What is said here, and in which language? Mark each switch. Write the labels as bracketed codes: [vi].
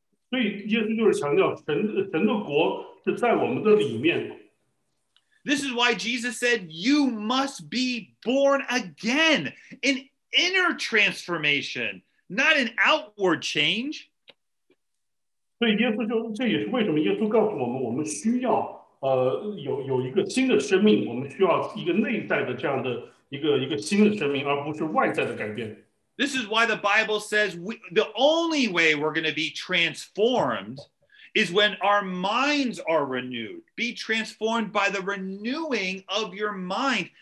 [zh] 所以耶稣就是强调神的国是在我们的里面。 [en] This is why Jesus said you must be born again, an inner transformation, not an outward change. [zh] 所以耶稣就这也是为什么耶稣告诉我们，我们需要有一个新的生命，我们需要一个内在的这样的一个新的生命，而不是外在的改变。 [en] This is why the Bible says the only way we're going to be transformed is when our minds are renewed. Be transformed by the renewing of your mind.